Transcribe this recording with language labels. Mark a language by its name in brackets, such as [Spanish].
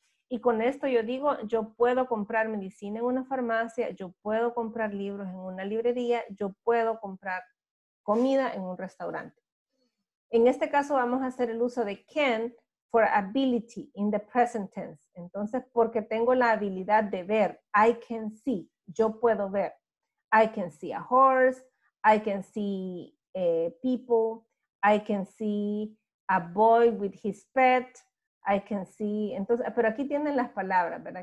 [Spanish] Y con esto yo digo, yo puedo comprar medicina en una farmacia, yo puedo comprar libros en una librería, yo puedo comprar comida en un restaurante. En este caso vamos a hacer el uso de can for ability in the present tense. Entonces, porque tengo la habilidad de ver, [English] I can see, [Spanish] yo puedo ver. [English] I can see a horse, I can see people, I can see a boy with his pet. I can see, [Spanish] entonces, pero aquí tienen las palabras, ¿verdad?